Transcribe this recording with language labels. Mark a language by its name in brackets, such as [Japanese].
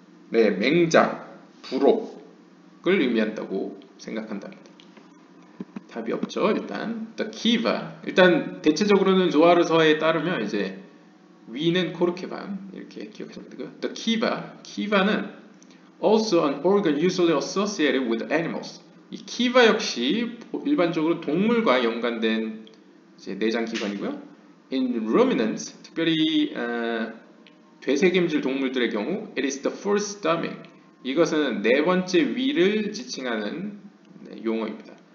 [Korean] 네, 맹장, 부록을 의미한다고 생각한답니다. 답이 없죠. 일단 the kiva, 일단 대체적으로는 조아르서에 따르면 이제 위는 코르케반, 이렇게 기억하시면 되고요. [English] The kiva, kiva는 also an organ usually associated with animals. [Korean] 이 kiva 역시 일반적으로 동물과 연관된 이제 내장 기관이고요. [English] In ruminants, [Korean] 특별히 되새김질 동물들의 경우, [English] it is the first stomach. [Korean] 이것은 네 번째 위를 지칭하는 용어입니다.